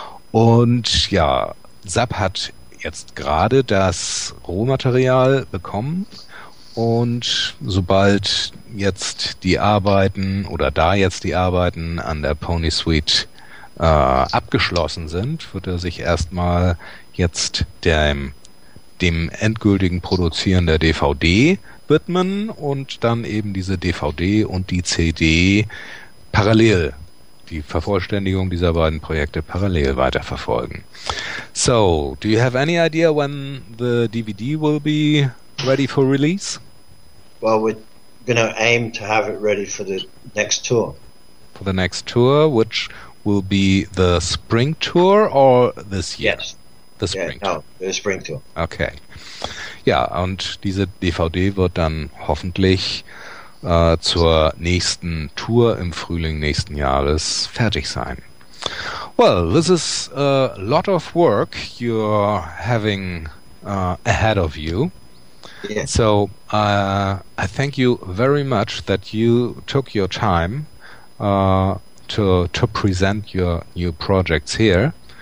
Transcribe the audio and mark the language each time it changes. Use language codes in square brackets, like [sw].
[de] Und ja, Sap hat jetzt gerade das Rohmaterial bekommen und sobald jetzt die Arbeiten oder da jetzt die Arbeiten an der Pony Suite abgeschlossen sind, wird er sich erstmal jetzt dem endgültigen Produzieren der DVD widmen und dann eben diese DVD und die CD parallel, die Vervollständigung dieser beiden Projekte parallel weiterverfolgen. [en] So, do you have any idea when the DVD will be ready for release? Well, we're going to aim to have it ready for the next tour. For the next tour, which will be the spring tour or this year? Yes. The spring tour. The spring tour. Okay. [de] Ja, und diese DVD wird dann hoffentlich zur nächsten Tour im Frühling nächsten Jahres fertig sein. [en] Well, this is a lot of work you're having ahead of you. Yeah. So I thank you very much that you took your time to present your new projects here.